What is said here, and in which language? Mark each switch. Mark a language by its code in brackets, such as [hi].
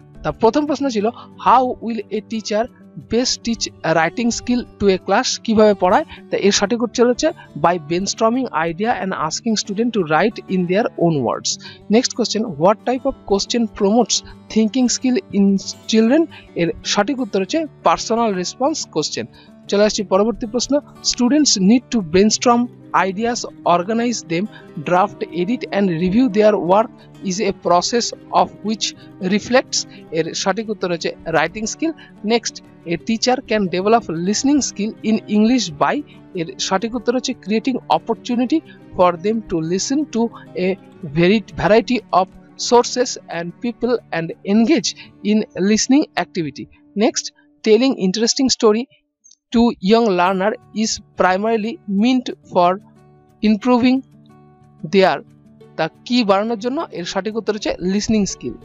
[bn] তা প্রথম প্রশ্ন ছিল [en] how will a teacher best teach writing skill to a class, [bn] কিভাবে পড়ায়। তা এর সঠিক উত্তর হচ্ছে [en] By brainstorming idea and asking student to write in their own words. Next question, what type of question promotes thinking skill in children, [bn] এর সঠিক উত্তর হচ্ছে [en] Personal response question. [bn] চলে আসছি পরবর্তী প্রশ্ন, [en] students need to brainstorm ideas, organize them, draft, edit and review their work is a process of which reflects, [bn] এর সঠিক উত্তর হচ্ছে [en] Writing skill. Next, a teacher can develop listening skill in English by, [bn] এর সঠিক উত্তর হচ্ছে [en] Creating opportunity for them to listen to a variety of sources and people and engage in listening activity. Next, telling interesting story to young learner is primarily meant for improving their the key [bn] বাড়ানোর জন্য, এর সঠিক উত্তর হচ্ছে [en] Listening skill.